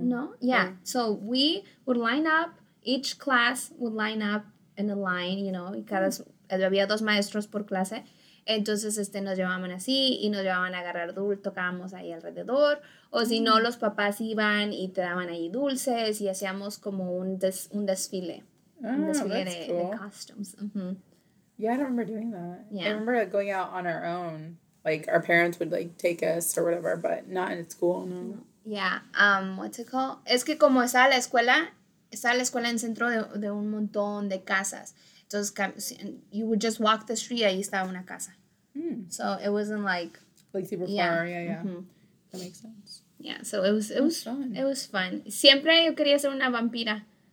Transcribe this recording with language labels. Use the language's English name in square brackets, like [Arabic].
[English] No? Yeah. No. So we would line up, each class would line up in a line, you know, [Spanish] y cada, había dos maestros por clase. Entonces, nos llevaban así y nos llevaban a agarrar dulces, tocábamos ahí alrededor. O si no, los papás iban y te daban ahí dulces y hacíamos como un desfile. Un desfile de cool. [English] Costumes. Mm-hmm. Yeah, I don't remember doing that. Yeah. I remember going out on our own. Like, our parents would, like, take us or whatever, but not in school, no. Yeah, what's it called? [Spanish] Es que como estaba la escuela en centro de un montón de casas. Entonces, [English] you would just walk the street, [Spanish] ahí estaba una casa. Mm. [English] So, it wasn't like... Like, super far, yeah. Yeah. Mm-hmm. That makes sense. Yeah, so it was fun. [Spanish] Siempre yo quería ser una vampira.